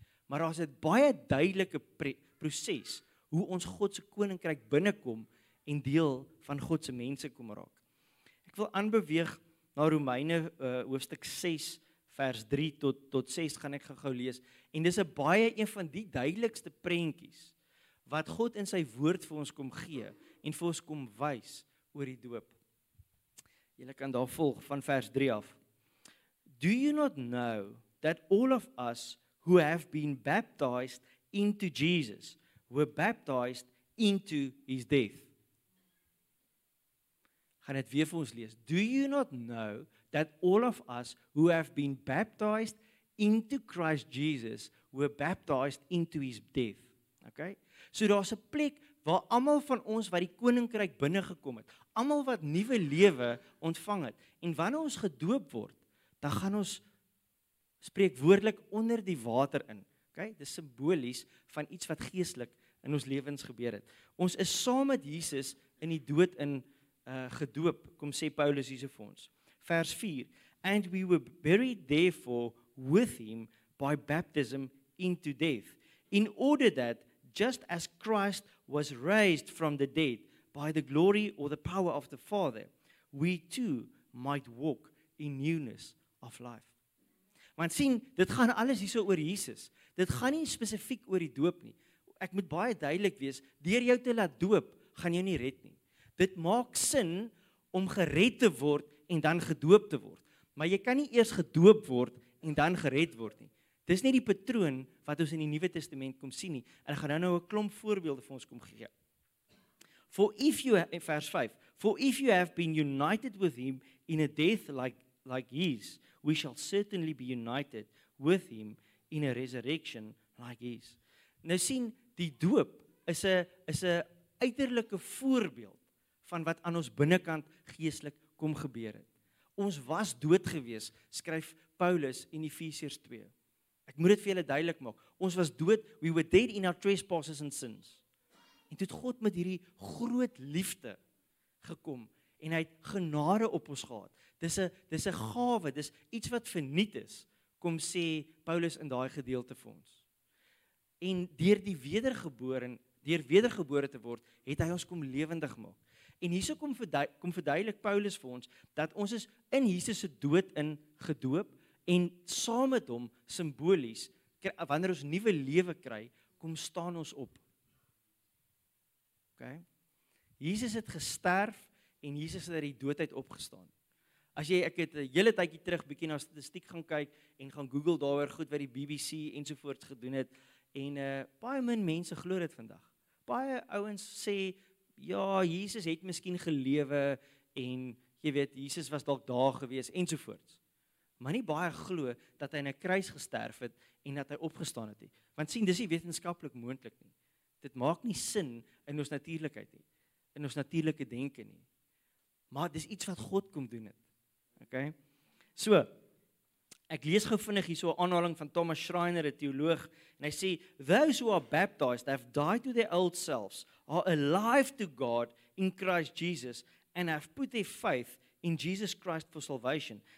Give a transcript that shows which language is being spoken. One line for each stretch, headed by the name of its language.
Afrikaans: Maar daar's 'n baie duidelike proses hoe ons God se koninkryk binnekom en deel van God se mense kom raak. Ek wil aanbeweeg na Romeine hoofstuk 6 vers 3 tot 6 gaan ek gou lees en dis 'n baie een van die duidelikste prentjies wat God in sy woord vir ons kom gee en vir ons kom wys oor die doop. Julle kan daar volg van vers 3 af.
English: Do you not know that all of us who have been baptized into Jesus were baptized into his death?
Afrikaans: Gaan dit weer vir ons lees.
English: Do you not know that all of us who have been baptized into Christ Jesus were baptized into his death?
Afrikaans: Okay? So daar's 'n plek waar almal van ons wat die koninkryk binnengekom het, almal wat nuwe lewe ontvang het, en wanneer ons gedoop word, dan gaan ons spreekwoordelik onder die water in. Okay? Dis simbolies van iets wat geestelik in ons lewens gebeur het. Ons is saam met Jesus in die dood in gedoop, kom sê Paulus hierse vir ons.
English: Vers 4, and we were buried therefore with him by baptism into death, in order that, just as Christ was raised from the dead by the glory or the power of the Father, we too might walk in newness of life.
Afrikaans: Want sien, dit gaan alles hierso oor Jesus. Dit gaan nie spesifiek oor die doop nie. Ek moet baie duidelik wees, deur jou te laat doop, gaan jou nie red nie. Dit maak sin om gered te word en dan gedoop te word. Maar jy kan nie eers gedoop word en dan gered word nie. Dis nie die patroon wat ons in die Nuwe Testament kom sien nie. En ek gaan nou 'n klomp voorbeelde vir ons kom gee.
English: For if you vers 5, for if you have been united with him in a death like his, we shall certainly be united with him in a resurrection like his.
Afrikaans: Nou sien, die doop is 'n uiterlike voorbeeld van wat aan ons binnekant geestelik kom gebeur het. Ons was dood gewees, skryf Paulus in Efesiërs 2. Ek moet dit vir julle duidelik maak. Ons was dood,
English: we were dead in our trespasses and sins.
Afrikaans: En toe het God met hierdie groot liefde gekom en hy het genade op ons gehad. Dis 'n gawe, dis iets wat verniet is, kom sê Paulus in daai gedeelte vir ons. En deur die wedergebore, deur wedergebore te word, het hy ons kom lewendig maak. En hierso kom verduidelik Paulus vir ons, dat ons is in Jesus se dood in gedoop, en saam met hom, simbolies, wanneer ons nuwe lewe kry, kom staan ons op. Okay? Jesus het gesterf, en Jesus het uit die dood uit opgestaan. As jy, ek het 'n hele tydjie terug bietjie na statistiek gaan kyk, en gaan Google daaroor goed wat die BBC ensovoorts gedoen het, en baie min mense glo dit vandag. Baie ouens sê, ja, Jesus het miskien gelewe, en jy weet, Jesus was dalk daar gewees, ensovoorts. Maar nie baie glo dat hy in 'n kruis gesterf het, en dat hy opgestaan het. Want sien, dis nie wetenskaplik moontlik nie. Dit maak nie sin in ons natuurlikheid nie, in ons natuurlike denke nie. Maar dis iets wat God kom doen het. Okay? So, ek lees gou vinnig hier so 'n aanhaling van Thomas Schreiner, 'n teoloog, en hy sê,
English: those who are baptized have died to their old selves, are alive to God in Christ Jesus, and have put their faith in Jesus Christ for salvation.